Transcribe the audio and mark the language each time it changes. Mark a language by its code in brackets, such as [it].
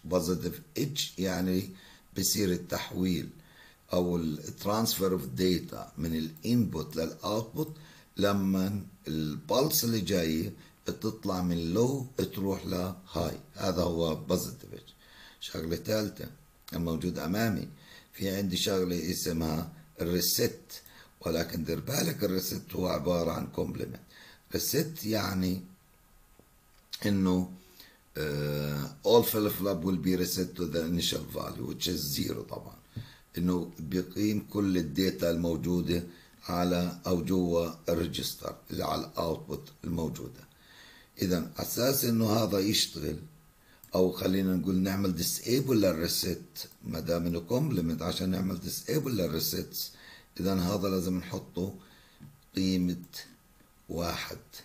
[ar] بوزيتيف اتش يعني بصير التحويل او الترانسفير اوف داتا من الانبوت للاوتبوت، لما البلس اللي جايه بتطلع من لو تروح لهاي، هذا هو بوزيتيف. شغلة ثالثة الموجود أمامي، في عندي شغلة اسمها الريست، ولكن دير بالك الريست هو عبارة عن كومبلمنت. ريست يعني إنه [en] all flip flop will be reset to the initial value which is zero. [ar] طبعا إنه بيقيم كل الداتا الموجودة على أو جوا الريجستر اللي على الأوتبوت الموجودة. اذا اساس انه هذا يشتغل، او خلينا نقول نعمل ديسيبل للريست ما دام انه كومبلمنت، عشان نعمل ديسيبل للريست اذا هذا لازم نحطه قيمه 1.